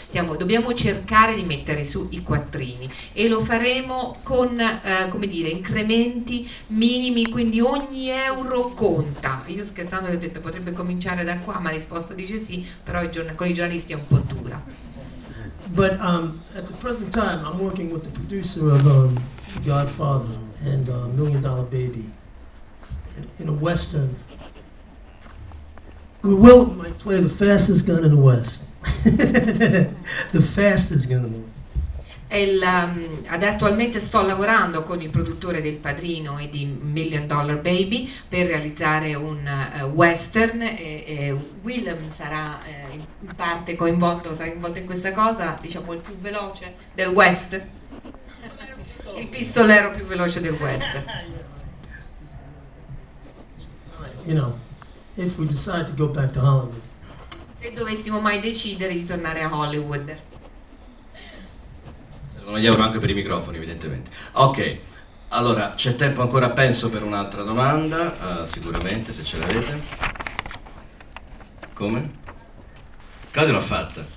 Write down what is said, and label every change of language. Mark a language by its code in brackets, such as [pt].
[it] Dobbiamo cercare di mettere su i quattrini, e lo faremo con incrementi minimi, quindi ogni euro conta. Io scherzando gli ho detto potrebbe cominciare da qua, ma risposto dice sì, però con i giornalisti è un po' dura. [en] But at the present time I'm working with the producer of Godfather and Million Dollar Baby in a western. Might play the fastest gun in the west. The fastest gun in the west. [it] Attualmente sto lavorando con il produttore del Padrino e di Million Dollar Baby per realizzare un western, e Willem sarà in parte coinvolto, sarà coinvolto in questa cosa, diciamo il più veloce del west, il pistolero più veloce del west. [en] You know, if we decide to go back to Hollywood. [it] Se dovessimo mai decidere di tornare a Hollywood. Non gli auguro anche per i microfoni, evidentemente. Ok, allora c'è tempo ancora, penso, per un'altra domanda, sicuramente, se ce l'avete. Come? Claudio l'ha fatta.